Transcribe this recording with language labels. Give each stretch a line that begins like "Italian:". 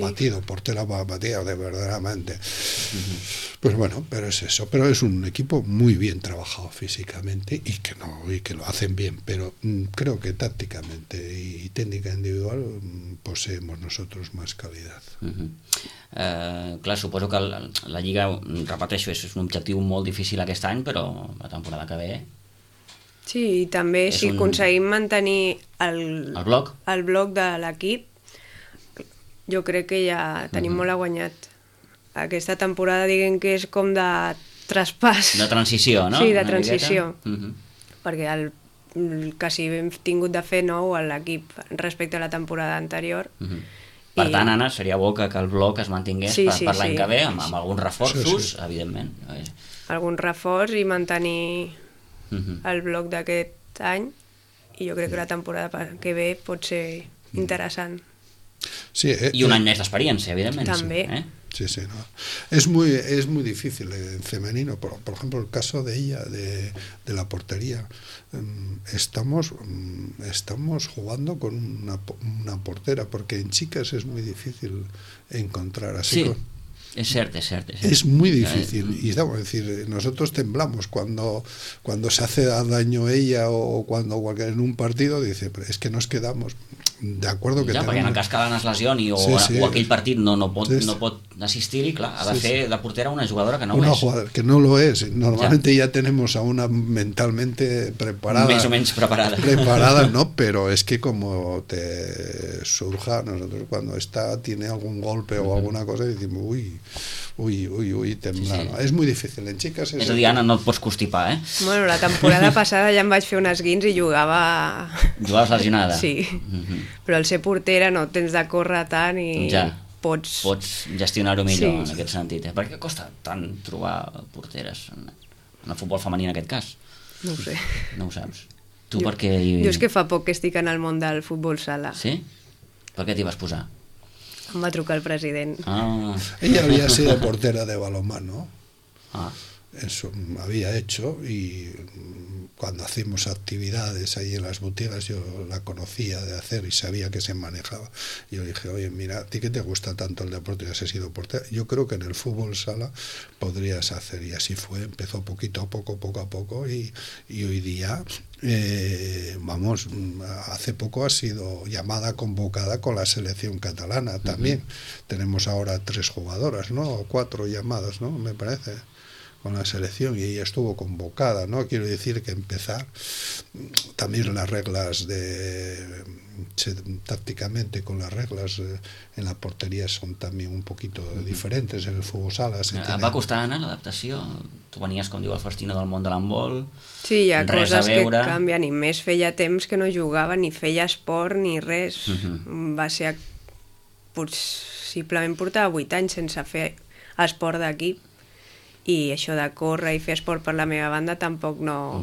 Spanish: batido, portero batido, de verdaderamente. Pues bueno, pero es eso. Pero es un equipo muy bien trabajado físicamente y que lo hacen bien. Pero creo que tácticamente y técnica individual poseemos nosotros más calidad. Uh-huh.
Catalan: Clar, suposo que la Lliga, repeteixo, és un objectiu molt difícil aquest any, però la temporada que ve... Sí, i també si aconseguim mantenir el bloc de l'equip, jo crec que ja tenim molt a guanyat. Aquesta temporada, diguem que és com de traspàs. De transició, no? Sí, de una transició. Perquè quasi hem tingut de fer nou a l'equip respecte a la temporada anterior. Per tant, Anna, seria bo que el bloc es mantingués per l'any que ve, amb alguns reforços, sí, sí, evidentment. Alguns reforços i mantenir el bloc d'aquest any, i jo crec que la temporada que ve pot ser interessant. Sí, i un any més d'experiència, evidentment. També. Sí, sí, no.
Spanish: Es muy difícil en femenino, por ejemplo, el caso de ella, de la portería. Estamos jugando con una portera, porque en chicas es muy difícil encontrar así. Sí, con... es cierto. Es muy difícil, y estamos, es decir, nosotros temblamos cuando se hace daño ella o cuando en un partido dice, pero es que nos quedamos... De acuerdo que
Catalan: ja, tenen... perquè en cascada es lesioni o, sí, sí, o aquell partit no pot assistir-hi, clar, ha de fer de portera una jugadora que no ho és. Una jugadora que no lo és. Normalment ja
Spanish: tenemos a una mentalmente preparada.
Catalan: Més o menys preparada.
Spanish: Preparada, no,
Catalan: però és que com
Spanish: te surja, nosotros cuando está, tiene algún golpe o alguna cosa, y decimos,
Catalan: ui, temblant. Sí, sí. És molt difícil, en xiques... És a dir, Anna, no et pots constipar, eh? Bueno, la temporada passada ja em vaig fer un esguins i jugava... Jugaves lesionada? Sí, però el ser portera no tens de córrer tant i... Ja. Pots gestionar-ho millor, sí, en aquest sentit. Per què costa tant trobar porteres en el futbol femení, en aquest cas? No ho sé. No ho saps. Tu jo, perquè... Jo és que fa poc que estic en el món del futbol sala. Sí? Per què t'hi vas posar? Em va trucar el president. Ah. Ella havia sigut de portera de balonmano. Ah.
Spanish: Eso m'havia hecho y cuando hacemos actividades ahí en las botigas yo la conocía de hacer y sabía que se manejaba. Yo dije, oye, mira, ¿a ti que te gusta tanto el deporte y has sido portera? Yo creo que en el fútbol sala podrías hacer. Y así fue, empezó poquito a poco, poco a poco, y hoy día, vamos, hace poco ha sido llamada, convocada con la selección catalana también. Uh-huh. Tenemos ahora 3 jugadoras, ¿no? O 4 llamadas, ¿no? Me parece... con la selección, y ella estuvo convocada, ¿no? Quiero decir que empezar también las reglas de tácticamente con las reglas en la portería son también un poquito diferentes en el fútbol sala.
Catalan: Tiene... Va costar, Anna, l'adaptació? Tu venies, com diu el Festino, del món de l'handbol. Sí, hi ha coses que canvien, i més feia temps que no jugava, ni feia esport, ni res. Uh-huh. Va ser possiblement portava 8 anys sense fer esport d'equip. I això de córrer i fer esport per la meva banda tampoc no...